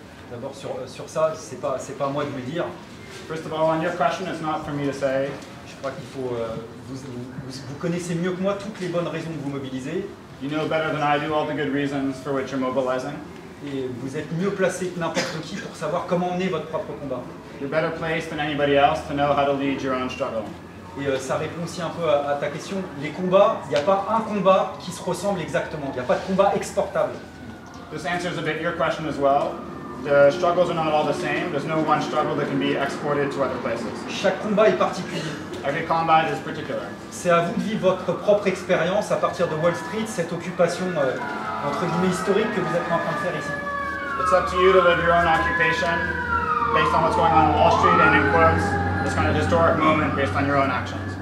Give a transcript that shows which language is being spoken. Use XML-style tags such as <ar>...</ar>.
<fr>D'abord sur ça, c'est pas moi de le dire.</fr> <en>First of all, on your question, it's not for me to say.</en> <fr>Je crois qu'il faut vous connaissez mieux que moi toutes les bonnes raisons de vous mobiliser.</fr> <en>You know better than I do all the good reasons for which you're mobilizing.</en> <fr>Et vous êtes mieux placé que n'importe qui pour savoir comment mener votre propre combat.</fr> <en>You're better placed than anybody else to know how to lead your own struggle.</en> <fr>Et ça répond aussi un peu à ta question. Les combats, il n'y a pas un combat qui se ressemble exactement. Il n'y a pas de combat exportable.</fr> <en>this answers a bit your question as well. The struggles are not all the same. There's no one struggle that can be exported to other places.</en> <fr>Chaque combat est particulier.</fr> <en>Every combat is particular.</en> <fr>C'est à vous de vivre votre propre expérience à partir de Wall Street, cette occupation entre guillemets historique que vous êtes en train de faire ici.</fr> <en>It's up to you to live your own occupation based on what's going on Wall Street and in quotes, this kind of historic moment based on your own actions.</en>